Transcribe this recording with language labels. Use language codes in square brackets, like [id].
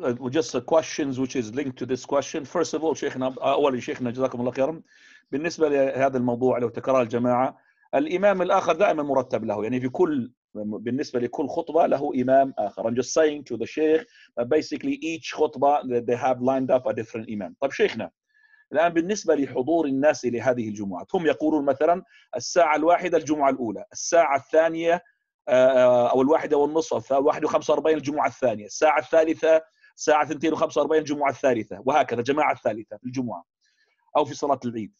[en] Just the questions which is linked to this question. First of all, [ar] شيخنا، أول شيخنا جزاكم الله خيرا. بالنسبة لهذا الموضوع لو تكرار الجماعة، الإمام الآخر دائما مرتب له، يعني في كل بالنسبة لكل خطبة له إمام آخر. [en] I'm just saying to the شيخ, basically each خطبة they have lined up a different imam. [ar] طب شيخنا، الآن بالنسبة لحضور الناس لهذه الجمعة، هم يقولون مثلا الساعة الواحدة الجمعة الأولى، الساعة الثانية أو الواحدة والنصف، الواحد وخمسة وأربعين الجمعة الثانية، الساعة الثالثة ساعة 2:45 الجمعة الثالثة، وهكذا جماعة الثالثة الجمعة أو في صلاة العيد.